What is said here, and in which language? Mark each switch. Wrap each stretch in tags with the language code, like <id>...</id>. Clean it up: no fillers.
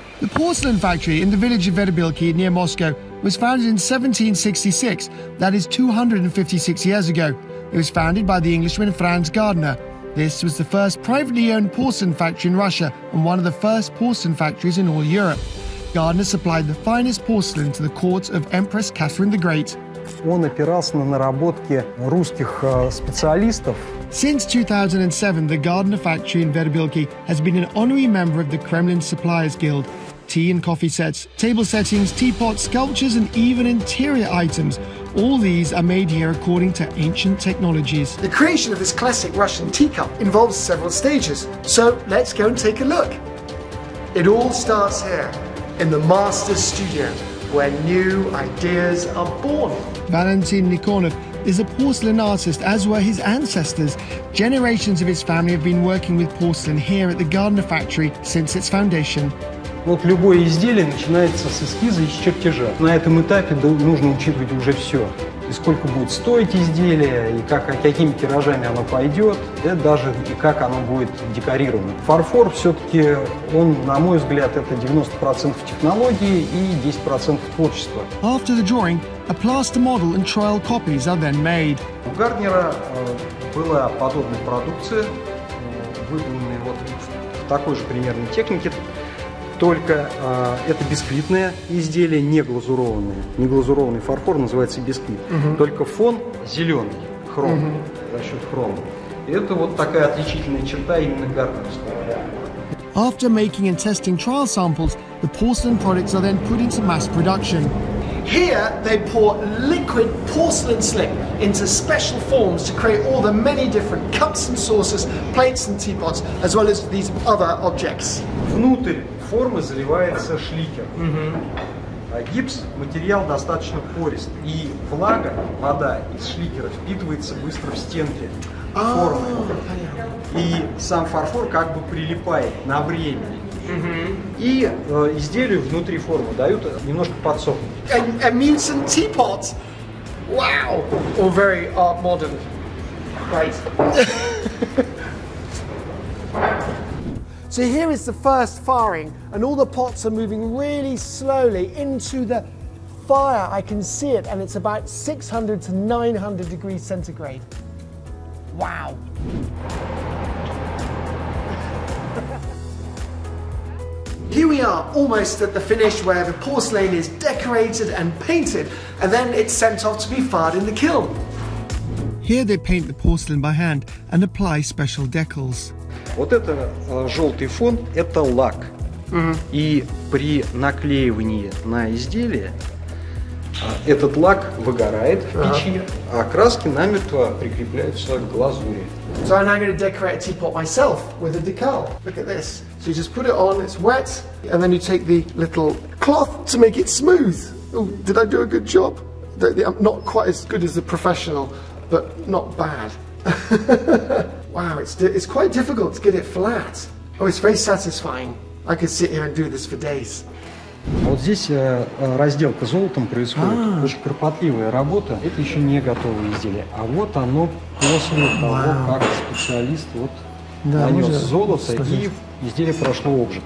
<en>The porcelain factory in the village of Verbilki near Moscow was founded in 1766, that is 256 years ago. It was founded by the Englishman Franz Gardner. This was the first privately owned porcelain factory in Russia and one of the first porcelain factories in all Europe. Gardner supplied the finest porcelain to the court of Empress Catherine the Great.</en> <ru>Он опирался на наработки русских специалистов.</ru> <en>Since 2007, the Gardner factory in Verbilki has been an honorary member of the Kremlin Suppliers Guild. Tea and coffee sets, table settings, teapots, sculptures, and even interior items. All these are made here according to ancient technologies. The creation of this classic Russian teacup involves several stages. So let's go and take a look. It all starts here, in the master's studio, where new ideas are born. Valentin Nikonov is a porcelain artist, as were his ancestors. Generations of his family have been working with porcelain here at the Gardner factory since its foundation.</en> <ru>Вот любое изделие начинается с эскиза и с чертежа. На этом этапе нужно учитывать уже все. И сколько будет стоить изделие, и как, какими тиражами оно пойдет, и даже и как оно будет декорировано. Фарфор все-таки, он, на мой взгляд, это 90% технологии и 10% творчества.</ru> <en>After the drawing, a plaster model and trial copies are then made.</en> <ru>У Гарднера была подобная продукция, выполненная вот в такой же примерной технике. Только это бисквитное изделие, не глазурованное. Не глазурованный фарфор называется бисквит. Uh-huh. Только фон зеленый, хром, uh-huh. за счет хрома. И это вот такая отличительная черта именно гарнерского.</ru> <en>After making and testing trial samples, the porcelain products are then put into mass production. Here they pour liquid porcelain slip into special forms to create all the many different cups and saucers, plates and teapots, as well as these other objects.</en> <ru>Внутрь формы заливается шликер. Гипс – материал достаточно порист, и влага, вода из шликера впитывается быстро в стенки формы. И сам фарфор как бы прилипает на время. И изделию внутри формы дают немножко подсохнуть.</ru> <en>A mincing teapot! Wow! All very art modern. Right. So here is the first firing, and all the pots are moving really slowly into the fire. I can see it, and it's about 600 to 900 degrees centigrade. Wow. Here we are, almost at the finish, where the porcelain is decorated and painted, and then it's sent off to be fired in the kiln. Here they paint the porcelain by hand and apply special decals.</en> <ru>Вот это желтый фон, это лак. И при наклеивании на изделие этот лак выгорает в печи, а краски намертво прикрепляются к глазури.</ru> <en>So I'm now going to decorate a teapot myself with a decal. Look at this. So you just put it on, it's wet, and then you take the little cloth to make it smooth. Oh, did I do a good job? I'm not quite as good as a professional, but not bad. Wow, it's quite difficult to get it flat. Oh, it's very satisfying. I could sit here and do this for days.</en> <ru>Вот здесь разделка золотом происходит. Очень кропотливая работа. Это еще не готовое изделие. А вот оно после того, как специалист вот нанес золото и изделие прошло обжиг.</ru>